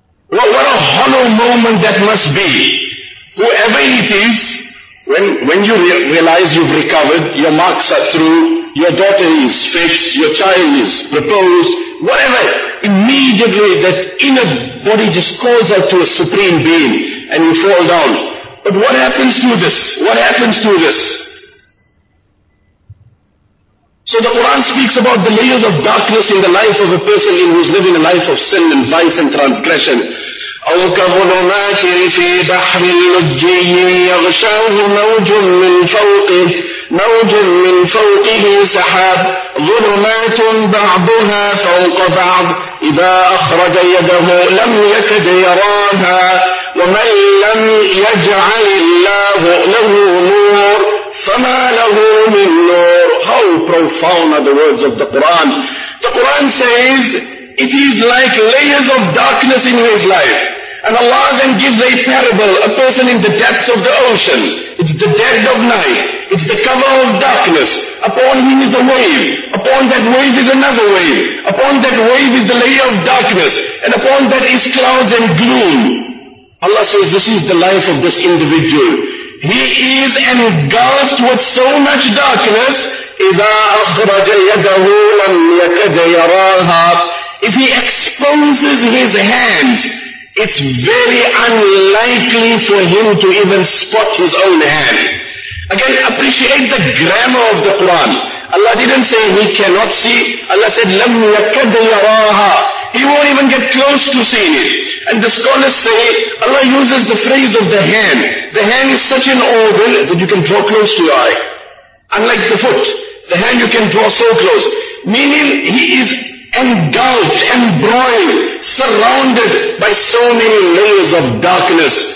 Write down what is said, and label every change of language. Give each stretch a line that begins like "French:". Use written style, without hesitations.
English: Well, what a hollow moment that must be. Whoever it is, when you realize you've recovered, your marks are true, your daughter is fixed, your child is proposed, whatever, immediately that inner body just calls out to a supreme being and you fall down. But what happens to this? What happens to this? So the Quran speaks about the layers of darkness in the life of a person who is living a life of sin and vice and transgression.
Arabic: أو كظلمات في بحر لجي يغشاه موج من فوقه موج من فوقه سحاب ظلمات بعضها فوق بعض إذا أخرج يده لم يكد يراها ومن لم يجعل الله له نور فما له من نور.
English: How profound are the words of the Quran. The Quran says it is like layers of darkness in his life. And Allah then gives a parable, a person in the depths of the ocean. It's the dead of night. It's the cover of darkness. Upon him is a wave. Upon that wave is another wave. Upon that wave is the layer of darkness. And upon that is clouds and gloom. Allah says this is the life of this individual. He is engulfed with so much darkness.
Arabic: إِذَا أَخْرَجَ يَدَهُ لَمْ يَكَدَ يَرَاهَا.
English: If he exposes his hands, it's very unlikely for him to even spot his own hand. Again, appreciate the grammar of the Quran. Allah didn't say he cannot see. Allah said,
Arabic: لَمْ يَكَدْ يَرَاهَا.
English: He won't even get close to seeing it. And the scholars say, Allah uses the phrase of the hand. The hand is such an organ that you can draw close to your eye. Unlike the foot, the hand you can draw so close. Meaning, he is engulfed, embroiled, surrounded by so many layers of darkness.